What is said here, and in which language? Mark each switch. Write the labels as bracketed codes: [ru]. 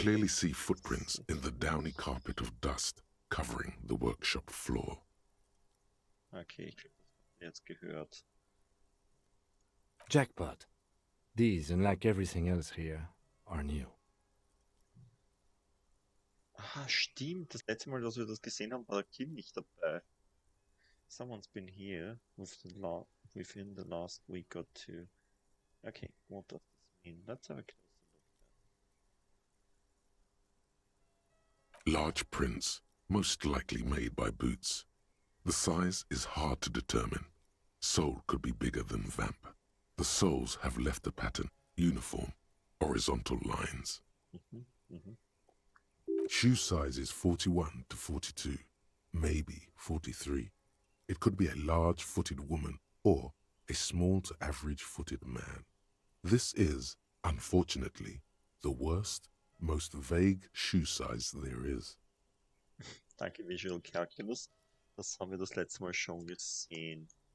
[en] You clearly see footprints in the downy carpet of dust covering the workshop floor. [de] Okay, ich hab jetzt gehört. [en] Jackpot. These, and like everything else here, are new. [de] Ah, stimmt. Das letzte Mal, dass wir das gesehen haben, war der Kim nicht dabei. [en] Someone's been here with the lock. Within the last week or two. Okay, what does this mean? Let's have a closer look. Large prints, most likely made by boots. The size is hard to determine. Sole could be bigger than vamp. The soles have left the pattern uniform, horizontal lines. Shoe size is 41 to 42, maybe 43. It could be a large footed woman or a small to average footed man. This is, unfortunately, the worst, most vague shoe size there is. [de] Danke, Visual Calculus. Das haben wir das letzte Mal schon gesehen.